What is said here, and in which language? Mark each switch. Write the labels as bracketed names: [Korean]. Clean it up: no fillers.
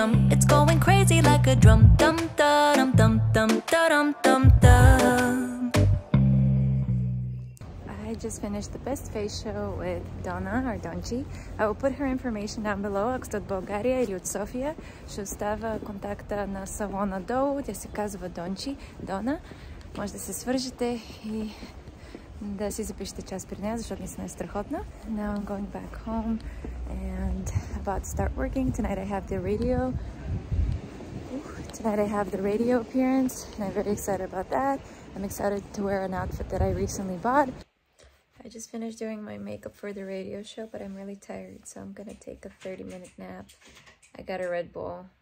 [English] It's going crazy like a drum. Dum dum dum dum dum dum dum. I just finished the best facial with Donna or Donji. I will put her information down below. [Bulgarian] Аксто от България или от София, ще оставя контакта на салона долу. Тя се казва Донджи, Дона. Може да се свържете и да си запишете час при нея, защото наистина е страхотна. [English] Now I'm going back home and about to start working. Tonight I have the radio. Tonight I have the radio appearance and I'm very excited about that. I'm excited to wear an outfit that I recently bought. I just finished doing my makeup for the radio show, but I'm really tired, so I'm gonna take a 30-minute nap. I got a Red Bull.